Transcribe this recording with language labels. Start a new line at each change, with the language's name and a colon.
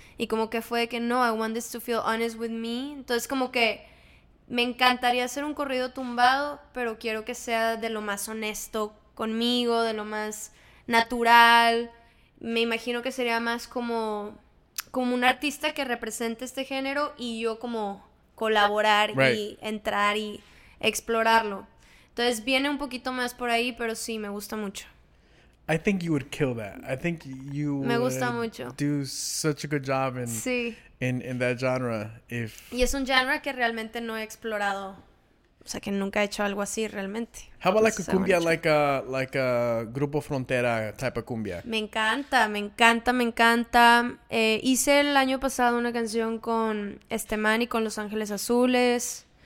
Spanish: Y como que fue de que no,
English: I want this to feel honest with me.
Spanish: Entonces como que me encantaría hacer un corrido tumbado, pero quiero que sea de lo más honesto conmigo, de lo más natural. Me imagino que sería más como un artista que represente este género y yo como colaborar y entrar y explorarlo. Entonces viene un poquito más por ahí, pero sí, me gusta mucho.
English: I think you would kill that. I think you
Spanish: me gusta mucho.
English: Do such a good job in that genre.
Spanish: Y es un genre que realmente no he explorado O sea, que nunca he hecho algo así realmente.
English: How about like a cumbia, like a Grupo Frontera type of cumbia?
Spanish: Me encanta, me encanta, me encanta. Hice el año pasado una canción con este man y con Los Ángeles Azules.